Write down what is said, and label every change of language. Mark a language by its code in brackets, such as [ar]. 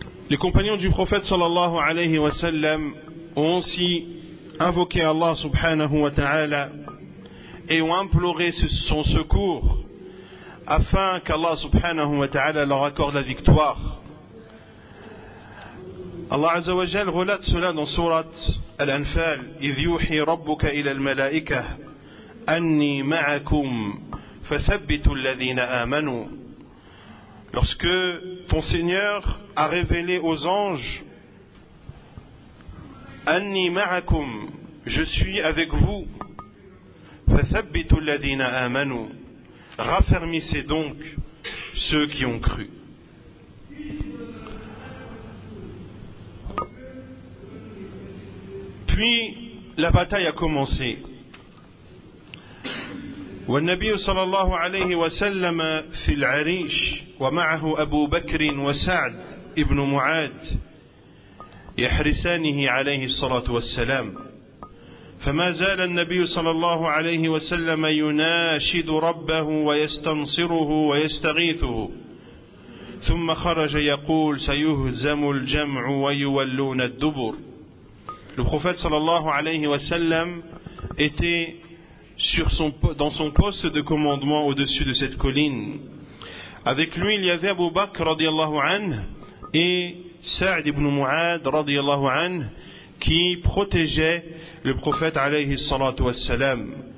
[fr] Les compagnons du prophète sallallahu alayhi wa sallam ont aussi invoqué Allah subhanahu wa ta'ala et ont imploré son secours afin qu'Allah subhanahu wa ta'ala leur accorde la victoire. Allah azza wa jal relate cela dans surat Al-Anfal, [ar] إِذْ يُوحِي رَبُّكَ إِلَى الْمَلَائِكَةِ أَنِّي مَعَكُمْ فَثَبِّتُوا الَّذِينَ آمَنُوا. [fr] Lorsque ton Seigneur a révélé aux anges, [ar] Anni ma'akum, [fr] je suis avec vous, [ar] fathabbitu alladhina amanu, [fr] raffermissez donc ceux qui ont cru. Puis la bataille a commencé. [ar] والنبي صلى الله عليه وسلم في العريش ومعه أبو بكر وسعد ابن معاذ يحرسانه عليه الصلاة والسلام فما زال النبي صلى الله عليه وسلم يناشد ربه ويستنصره ويستغيثه ثم خرج يقول سيهزم الجمع ويولون الدبر. البروفيت صلى الله عليه وسلم [fr] était dans son poste de commandement au-dessus de cette colline. Avec lui, il y avait Abu Bakr radiallahu anh et Sa'd ibn Mu'ad radiallahu anh qui protégeaient le prophète alayhi salatu wassalam.